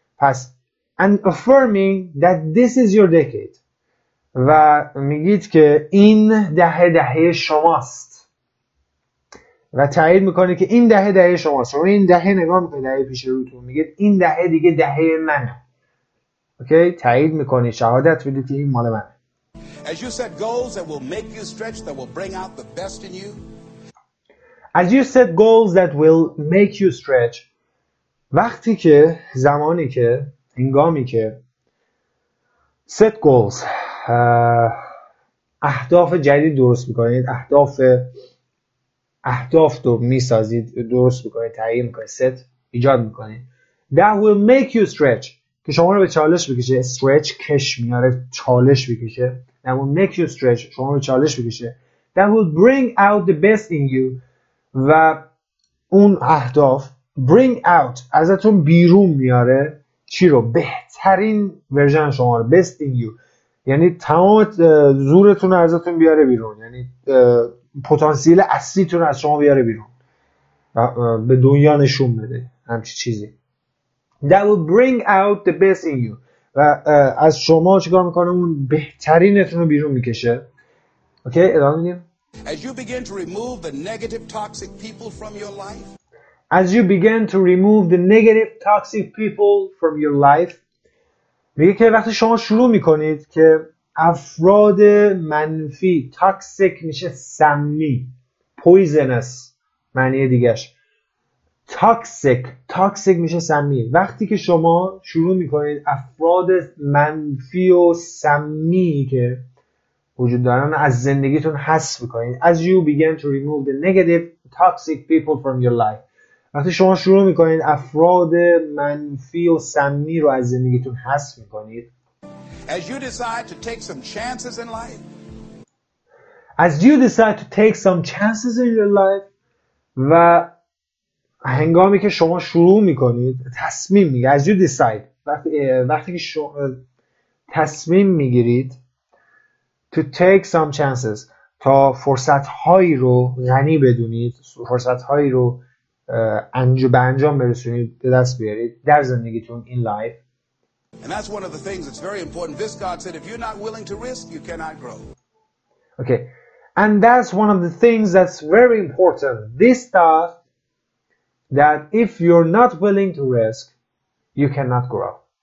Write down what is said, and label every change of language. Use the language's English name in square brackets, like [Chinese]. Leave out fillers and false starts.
[Persian] پس [English] and affirming that this is your decade [Persian] و میگید که این دهه دهه شماست و تایید میکنه که این دهه دهه شماست. شما این دهه نگاه میکنید، دهه پیش روتون، میگید این دهه دیگه دهه منه. اوکی؟ تایید میکنی، شهادت میدی که این مال منه. [English] As you set goals that will make you stretch, that will bring out the best in you. As you set goals that will make you stretch. [Persian] وقتی که زمانی که هنگامی که [English] set goals [Persian] اهداف جدید درست میکنید، اهداف رو میسازید، درست میکنید، تعیین میکنید، ست ایجاد میکنید، [English] that will make you stretch [Persian] که شما رو به چالش بکشه، stretch کش میاره، چالش بکشه، [English] that will make you stretch شما رو چالش بکشه، that will bring out the best in you [Persian] و اون اهداف [English] bring out [Persian] ازتون بیرون میاره چی رو؟ بهترین ورژن شما رو، [English] best in you [Persian] یعنی تمام زورتون رو ازتون بیاره بیرون، یعنی پتانسیل اصلیتون از شما بیاره بیرون و به دنیا نشون بده همچی چیزی. [English] That will bring out the best in you [Persian] و از شما چیکار میکنه؟ اون بهترینتون رو بیرون میکشه. اوکی ادامه میدیم. [English] As you begin to remove the negative toxic people from your life. As you begin to remove the negative toxic people from your life. [Persian] میگه که وقتی شما شروع میکنید که افراد منفی، toxic میشه سمی، poisonous معنی دیگرش، toxic میشه سمی، وقتی که شما شروع میکنید افراد منفی و سمی که وجود دارن از زندگیتون حذف میکنید، [English] as you begin to remove the negative toxic people from your life، [Persian] وقتی شما شروع میکنید افراد منفی و سمی رو از زندگیتون حذف میکنید، [English] as you decide to take some chances in life. As you decide to take some chances in your life. [Persian] و هنگامی که شما شروع میکنید تصمیم میگیرید، [English] as you decide، [Persian] وقتی که شما تصمیم میگیرید [English] to take some chances، [Persian] تا فرصت هایی رو غنی بدونید، فرصت هایی رو به انجام برسونید، به دست بیارید در زندگیتون، [English] in life. And that's one of the things that's very important. Viscard said, if you're not willing to risk, you cannot grow. Okay. And that's one of the things that's very important. Viscard, that if you're not willing to risk, you cannot grow.